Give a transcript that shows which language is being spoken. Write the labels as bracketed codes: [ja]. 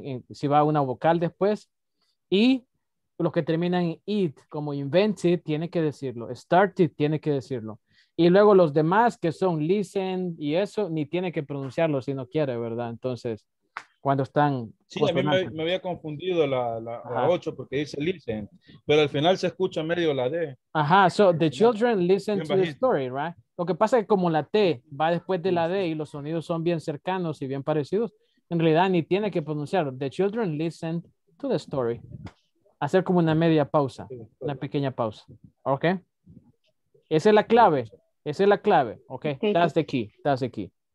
[es] Si va una vocal después y los que terminan en it, como invented, tiene que decirlo. Started, tiene que decirlo. Y luego los demás que son listen y eso, ni tiene que pronunciarlo si no quiere, ¿verdad? Entonces, cuando están... Sí, a mí me había confundido la 8 porque dice listen, pero al final se escucha medio la D. [en] Ajá, so the children listen to the story, right? [es] Lo que pasa es que como la T va después de la D y los sonidos son bien cercanos y bien parecidos, en realidad ni tiene que pronunciar. [en] The children listen to the story. [es] Hacer como una media pausa, una pequeña pausa, ¿ok? Esa es la clave, ¿ok? [en] That's the key.